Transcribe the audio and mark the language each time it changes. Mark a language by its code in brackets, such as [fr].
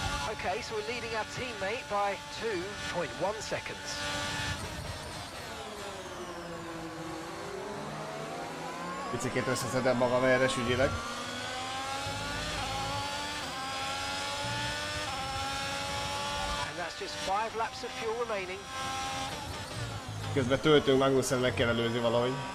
[en] Okay, so we're leading our teammate by 2.1 seconds. [hu] Picikét összeszedem magam erre, sügyileg. [en] And that's just 5 laps of fuel remaining. [hu] Közben töltünk, Magnussen meg kell előzni valahogy.